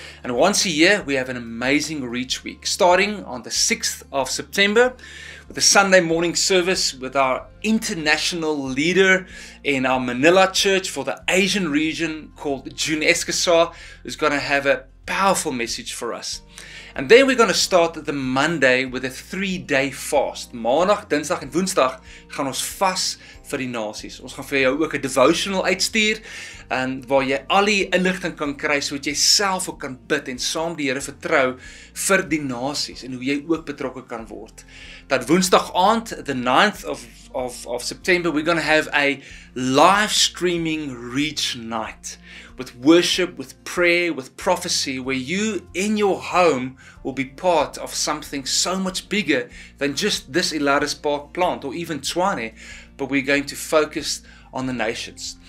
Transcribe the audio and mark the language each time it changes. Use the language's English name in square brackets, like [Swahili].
[English] And once a year, we have an amazing Reach Week. Starting on the 6th of September, with a Sunday morning service with our international leader in our Manila church for the Asian region called June Escasar, who's going to have a powerful message for us. And then we're going to start the Monday with a 3-day fast. [Afrikaans] Maandag, Dinsdag en Woensdag gaan ons vas vir die nasies. Ons gaan vir jou ook 'n devotional uitstuur en waar jy al die inligting kan kry sodat jy self ook kan bid en saam die Here vertrou vir die nasies en hoe jy ook betrokke kan word. Dat Woensdag aand, [English] the 9th of September, we're going to have a live streaming Reach Night. With worship, with prayer, with prophecy, where you in your home will be part of something so much bigger than just this Ilaris Park plant or even Tshwane, but we're going to focus on the nations.